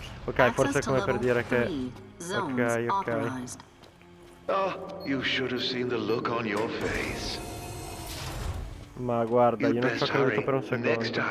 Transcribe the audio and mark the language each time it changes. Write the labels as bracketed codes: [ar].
[it] Ok, forse è come per dire che. Ok, ok. [en] Oh, you should have seen the look on your face. [it] Ma guarda, io non ci ho creduto per un secondo.